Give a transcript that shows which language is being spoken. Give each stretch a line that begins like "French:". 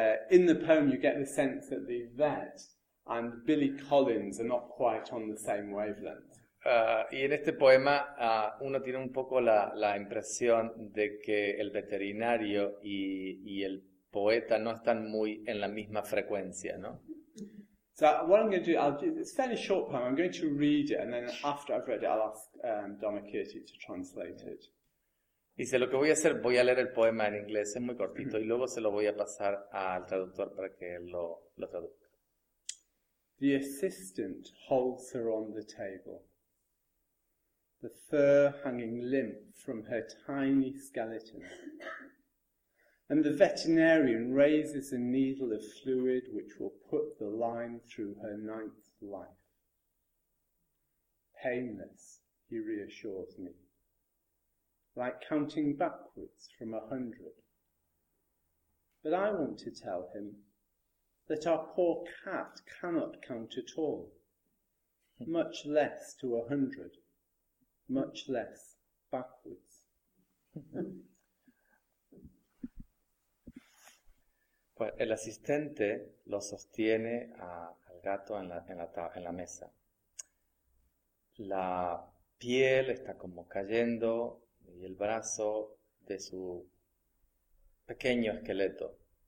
English: In the poem, you get the sense that the vet and Billy Collins are not quite on the same wavelength.
Spanish: Y en este poema, uno tiene un poco la impresión de que el veterinario y el poeta no están muy en la misma frecuencia, ¿no?
English: So what I'm going to do, it's a fairly short poem. I'm going to read it, and then after I've read it, I'll ask Domakirti to translate it.
Spanish: Dice, lo que voy a hacer, voy a leer el poema en inglés, es muy cortito, y luego se lo voy a pasar al traductor para que lo traduzca.
English: The assistant holds her on the table, the fur hanging limp from her tiny skeleton. And the veterinarian raises a needle of fluid which will put the line through her ninth life. Painless, he reassures me, like counting backwards from 100. But I want to tell him that our poor cat cannot count at all, much less to 100, much less backwards.
Spanish: Pues el asistente lo sostiene al gato en la mesa. La piel está como cayendo y el brazo de su pequeño esqueleto.